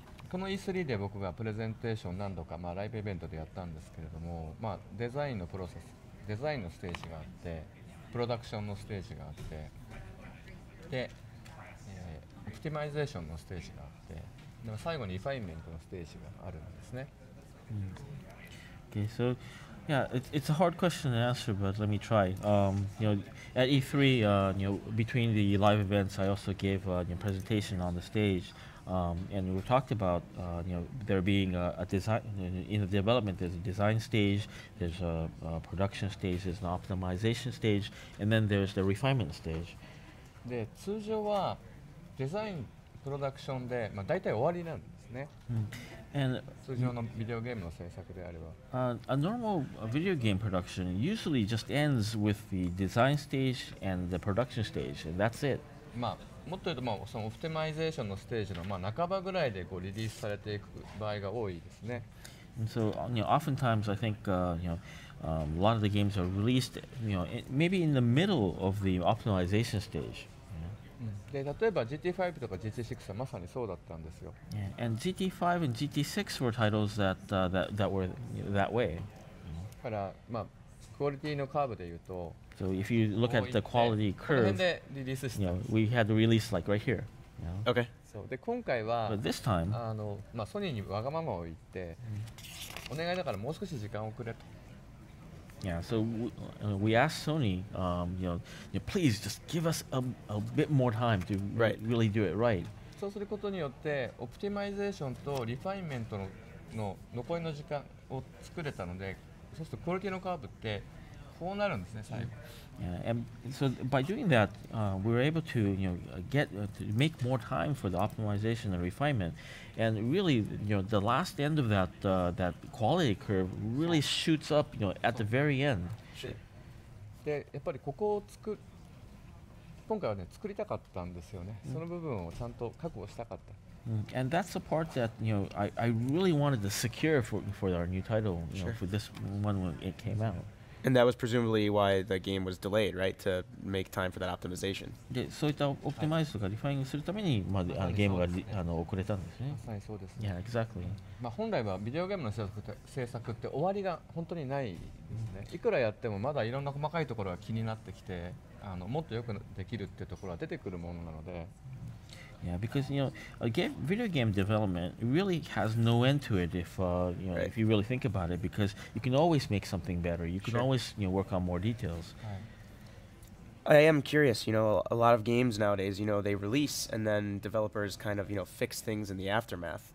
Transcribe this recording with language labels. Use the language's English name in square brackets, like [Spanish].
[Japanese] この E3 で僕がプレゼンテーション何度か、まあ、ライブイベントでやったんですけれども、まあ、デザインのプロセスデザインのステージがあってプロダクションのステージがあってで、オプティマイゼーションのステージがあってでも最後にリファインメントのステージがあるんですね。 [English] うん okay, so yeah, it's a hard question to answer, but let me try. At E3, between the live events, I also gave a presentation on the stage, and we talked about there being a design in the development. There's a design stage, there's a production stage, there's an optimization stage, and then there's the refinement stage. [Japanese] で、通常はデザインプロダクションで、まあ、大体終わりなんですね。 [English] And [Japanese] 通常のビデオゲームの制作であれば、 [English] A normal video game production usually just ends with the design stage and the production stage, and that's it. [Japanese] まあ、もっと言うと、まあ、そのオプティマイゼーションのステージの、まあ、半ばぐらいでこうリリースされていく場合が多いですね。 [English] And so, oftentimes I think, a lot of the games are released, maybe in the middle of the optimization stage. [Japanese] で例えば GT5 とか GT6 はまさにそうだったんですよ。 [English] Yeah. And GT5 and GT6 were titles that were that way. [Japanese] だから、まあ、クオリティのカーブで言うと、 [English] So if you look at the quality curve, we had the release like right here. Yeah. Okay. [Japanese] そうで今回は、 [English] But this time, [Japanese] まあ、ソニーにわがままを言って、お願いだからもう少し時間をくれと。 [English] Yeah, so we asked Sony, please just give us a bit more time to really do it right. [Japanese] 装することによってオプティマイゼーションとリファインメント の残りの時間を作れたので、そうするとクオリティのカーブってこうなるんですね最後。 [English] Yeah, and so by doing that, we were able to, you know, get to make more time for the optimization and refinement, and really, you know, the last end of that that quality curve really shoots up, you know, at the very end. [Japanese] で、やっぱりここを今回はね、作りたかったんですよね。その部分をちゃんと確保したかった。 [English] And that's the part that, you know, I really wanted to secure for our new title, you know, for this one when it came out. And that was presumably why the game was delayed, right? To make time for that optimization. [Japanese] で、そういったオプティマイズとかリファインするために、まあ、ゲームが遅れたんですね。はい、そうですね。 [English] Yeah, exactly. [Japanese] まあ、本来はビデオゲームの制作って終わりが本当にないですね。いくらやってもまだいろんな細かいところが気になってきて、もっとよくできるってところは出てくるものなので。 [English] Yeah, because, you know, video game development really has no end to it if, you know, if you really think about it, because you can always make something better. You can always, you know, work on more details. I am curious, you know, a lot of games nowadays, you know, they release and then developers kind of, you know, fix things in the aftermath.